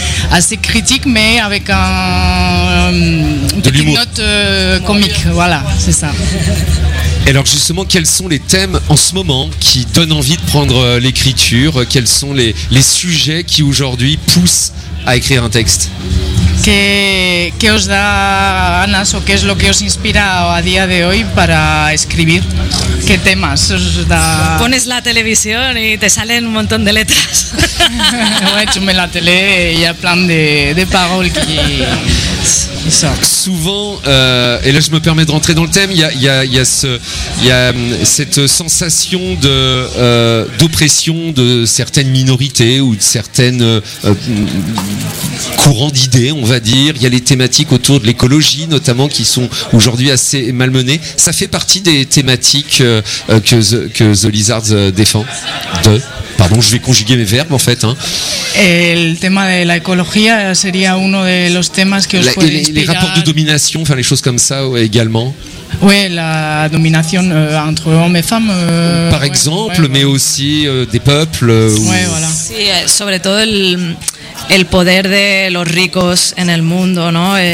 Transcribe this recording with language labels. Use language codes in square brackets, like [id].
[fr] Assez critique, mais avec une petite note comique. Voilà, c'est ça. Et alors justement, quels sont les thèmes en ce moment qui donnent envie de prendre l'écriture? Quels sont les sujets qui aujourd'hui poussent à écrire un texte? [es] ¿Qué os da ganas o qué es lo que os inspira a día de hoy para escribir? ¿Qué temas os da? Pones la televisión y te salen un montón de letras. [fr] Ouais, tu mets la télé et il y a plein de paroles qui sortent. Souvent, et là je me permets de rentrer dans le thème, il y a cette sensation d'oppression de certaines minorités ou de certaines courants d'idées, on va dire. Il y a les thématiques autour de l'écologie notamment qui sont aujourd'hui assez malmenées. Ça fait partie des thématiques que The Lizards défend de... Pardon, je vais conjuguer mes verbes en fait. Hein. [es] El tema de la ecología sería uno de los temas que os puede inspirar. [fr] Les rapports de domination, enfin les choses comme ça ouais, également. Oui, la domination entre hommes et femmes. Par exemple, ouais, mais aussi des peuples. Ouais, voilà. [es] Sí, sobre todo el poder de los ricos en el mundo, ¿no?